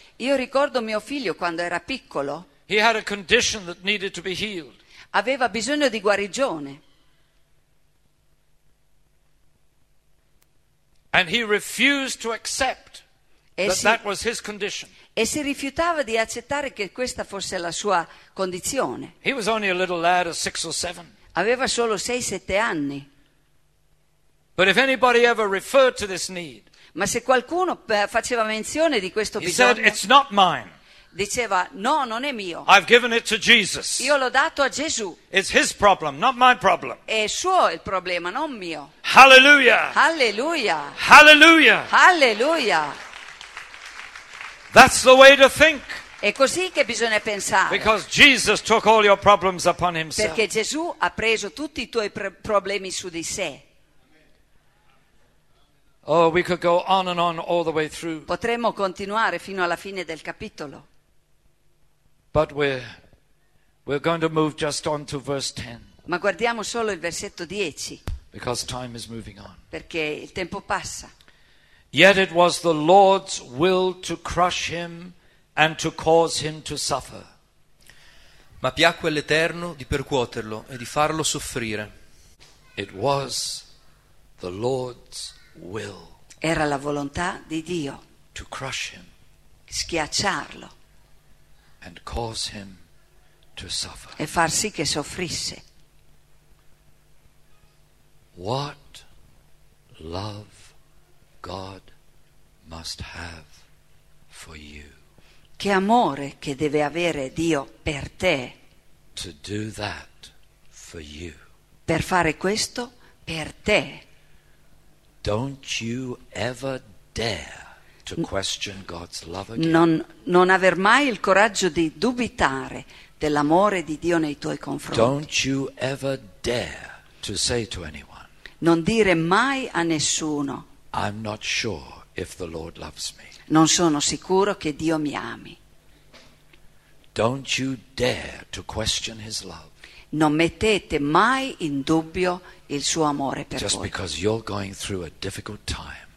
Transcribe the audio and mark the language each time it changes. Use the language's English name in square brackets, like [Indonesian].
[Italian] Io ricordo mio figlio quando era piccolo. [English] He had a condition that needed to be healed. [Italian] Aveva bisogno di guarigione. [English] And he refused to accept that was his condition. [Italian] E si rifiutava di accettare che questa fosse la sua condizione. [English] He was only a little lad of 6 or 7. [Italian] Aveva solo 6-7 anni. [English] But if anybody ever referred to this need, [Italian] ma se qualcuno faceva menzione di questo bisogno, [English] he said, it's not mine. [Italian] Diceva, no, non è mio. [English] I've given it to Jesus. [Italian] Io l'ho dato a Gesù. [English] It's his problem, not my problem. [Italian] È suo il problema, non mio. Hallelujah! Hallelujah! Hallelujah! Hallelujah! [English] That's the way to think. [Italian] È così che bisogna pensare. [English] Because Jesus took all your problems upon himself. [Italian] Perché Gesù ha preso tutti i tuoi problemi su di sé. [English] Oh, we could go on and on all the way through. [Italian] Potremmo continuare fino alla fine del capitolo. [English] But we're going to move just on to verse 10. [Italian] Ma guardiamo solo il versetto 10. [English] Because time is moving on. [Italian] Perché il tempo passa. [English] Yet it was the Lord's will to crush him and to cause him to suffer. [Italian] Ma piacque all'Eterno di percuoterlo e di farlo soffrire. [English] It was the Lord's will. [Italian] Era la volontà di Dio. [English] To crush him. [Italian] Schiacciarlo. [English] And cause him to suffer. [Italian] E far sì che soffrisse. [English] What love God must have for you. [Italian] Che amore che deve avere Dio per te. [English] To do that for you. [Italian] Per fare questo per te. [English] Don't you ever dare to question God's love again. [Italian] Non aver mai il coraggio di dubitare dell'amore di Dio nei tuoi confronti. [English] Don't you ever dare to say to anyone. [Italian] Non dire mai a nessuno. [English] I'm not sure if the Lord loves me. [Italian] Non sono sicuro che Dio mi ami. [English] Don't you dare to question his love. [Italian] Non mettete mai in dubbio il suo amore per [English] Just [Italian] voi. [English] Just because you're going through a difficult time.